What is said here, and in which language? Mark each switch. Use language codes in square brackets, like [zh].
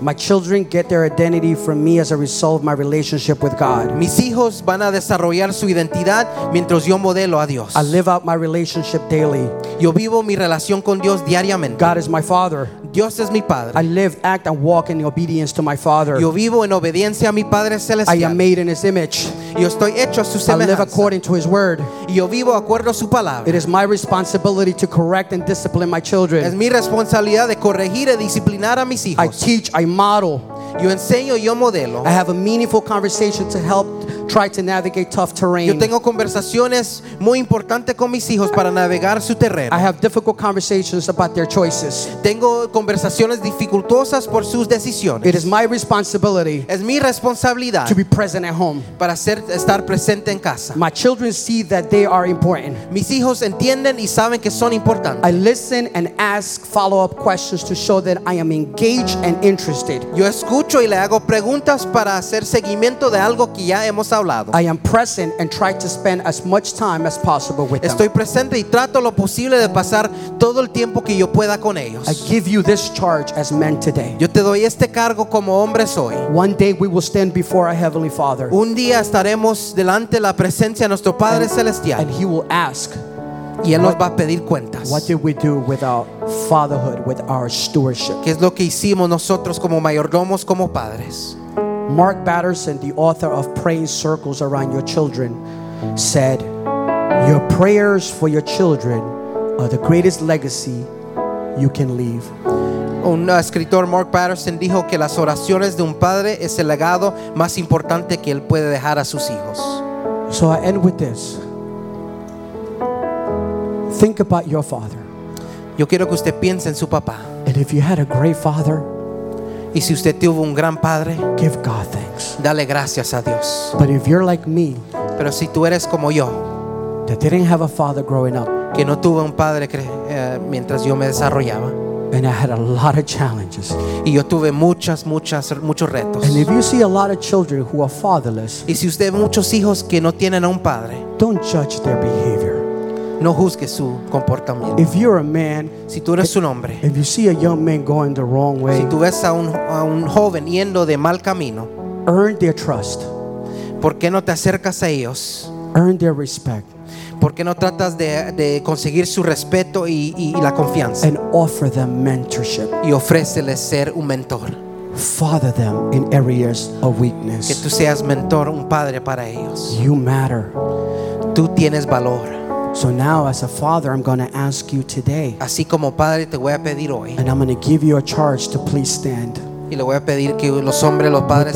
[en] My children get their identity from me as a result of my relationship with God. [es] Mis hijos van a desarrollar su identidad mientras yo modelo a Dios. [en] I live out my relationship daily. [es] Yo vivo mi relación con Dios diariamente. [en] God is my father. [es] Dios es mi padre. [en] I live, act, and walk in obedience to my father. [es] Yo vivo en obediencia a mi padre celestial. [en] I am made in his image. [es] Yo estoy hecho a su semejanza. [en] I live according to his word. [es] Y yo vivo acuerdo a su palabra. [en] It is my responsibility to correct and discipline my children. [es] Es mi responsabilidad de corregir y disciplinar a mis hijos. [en] I teach, I model. [es] Yo enseño, yo modelo. [en] I have a meaningful conversation to help try to navigate tough terrain. [es] Yo tengo conversaciones muy importantes con mis hijos para navegar su terreno. [en] I have difficult conversations about their choices. [es] Tengo conversaciones dificultosas por sus decisiones. [en] It is my responsibility. [es] Es mi responsabilidad. [en] To be present at home. [es] Para estar presente en casa. [en] My children see that they are important. [es] Mis hijos entienden y saben que son importantes. [en] I listen and ask follow-up questions to show that I am engaged and interested. [es] Yo escucho y le hago preguntas para hacer seguimiento de algo que ya hemos hablado. [en] I am present and try to spend as much time as possible with them. [es] Estoy presente y trato lo posible de pasar todo el tiempo que yo pueda con ellos. [en] I give you this charge as men today. [es] Yo te doy este cargo como hombres hoy. [en] One day we will stand before our heavenly Father. [es] Un día estaremos delante de la presencia de nuestro Padre celestial. [en] And he will ask, [es] y él nos va a pedir cuentas. [en] What did we do with our fatherhood, with our stewardship? [es] ¿Qué es lo que hicimos nosotros como mayordomos, como padres? [en] Mark Batterson, the author of Praying Circles Around Your Children, said, your prayers for your children are the greatest legacy you can leave. [es] Un escritor, Mark Batterson, dijo que las oraciones de un padre es el legado más importante que él puede dejar a sus hijos. [en] So I end with this. Think about your father. [es] Yo quiero que usted piense en su papá. [en] And if you had a great father, [es] y si usted tuvo un gran padre, [en] give God thanks. [es] Dale gracias a Dios. [en] But if you're like me, [es] pero si tú eres como yo, [en] that didn't have a father growing up. [es] Que no tuve un padre que, mientras yo me desarrollaba. [en] And I had a lot of challenges. [es] Y yo tuve muchos retos. [en] And if you see a lot of children who are fatherless, [es] y si usted ve muchos hijos que no tienen a un padre, [en] don't judge their behavior. [es] No juzgue su comportamiento. [en] If you're a man, [es] si tú eres un hombre, [en] if you see a young man going the wrong way, [es] si tú ves a un joven yendo de mal camino, [en] earn their trust. [es] ¿Por qué no te acercas a ellos? [en] Earn their respect. [es] ¿Por qué no tratas de conseguir su respeto y la confianza? [en] And offer them mentorship. [es] Y ofréceles ser un mentor. [en] Father them in areas of weakness. [es] Que tú seas mentor, un padre para ellos. [en] You matter. [es] Tú tienes valor. [en] So now, as a father, I'm going to ask you today. [es] Así como padre, te voy a pedir hoy. [en] And I'm going to give you a charge to please stand. [es] Y le voy a pedir que los hombres, los padres,